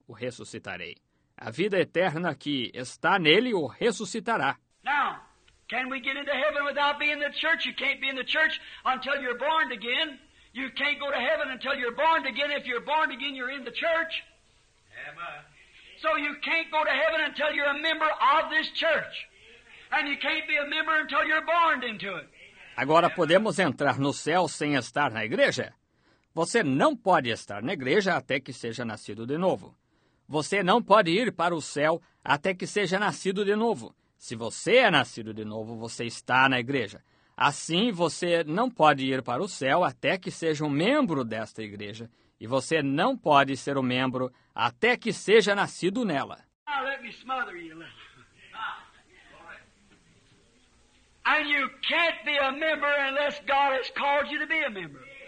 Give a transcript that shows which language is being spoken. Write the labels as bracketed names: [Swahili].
[Portuguese] O ressuscitarei. A vida eterna que está nele o ressuscitará. [English] Now, can we get into heaven without being in the church? You can't be in the church until you're born again. You can't go to heaven until you're born again. If you're born again, you're in the church. Amen. So you can't go to heaven until you're a member of this church. And you can't be a member until you're born into it. [Portuguese] Agora, podemos entrar no céu sem estar na igreja? Você não pode estar na igreja até que seja nascido de novo. Você não pode ir para o céu até que seja nascido de novo. Se você é nascido de novo, você está na igreja. Assim, você não pode ir para o céu até que seja um membro desta igreja. E você não pode ser um membro até que seja nascido nela. [English] Now, let me smother you a little. And you can't be a member unless God has called you to be a member.